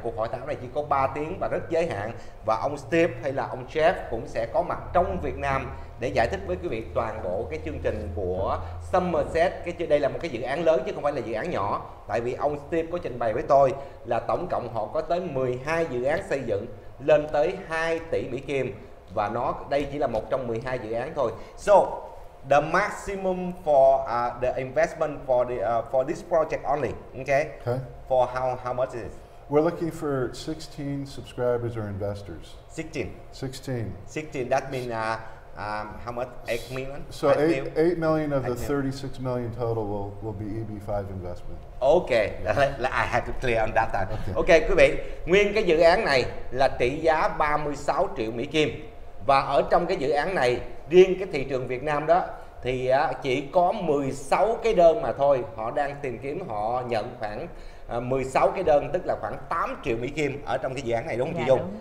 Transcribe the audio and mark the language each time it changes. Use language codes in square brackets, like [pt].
[vi] Cuộc hội thảo này chỉ có 3 tiếng và rất giới hạn, và ông Steve hay là ông Jeff cũng sẽ có mặt trong Việt Nam để giải thích với quý vị toàn bộ cái chương trình của Somerset. Đây là một cái dự án lớn chứ không phải là dự án nhỏ. Tại vì ông Steve có trình bày với tôi là tổng cộng họ có tới 12 dự án xây dựng lên tới 2 tỷ Mỹ Kim. Và đây chỉ là một trong 12 dự án thôi. [en] So, the maximum for the investment for the for this project only, okay? For how much is it? We're looking for 16 subscribers or investors. 16. That means how much? 8 million. So 8 million of the 36 million total will be EB5 investment. Okay, I have to clear on that. [vi] Okay, quý vị, nguyên cái dự án này là trị giá 36 triệu Mỹ Kim. Và ở trong cái dự án này, riêng cái thị trường Việt Nam đó thì chỉ có 16 cái đơn mà thôi. Họ đang tìm kiếm, họ nhận khoảng 16 cái đơn, tức là khoảng 8 triệu Mỹ Kim ở trong cái dự án này, đúng không chị Dung?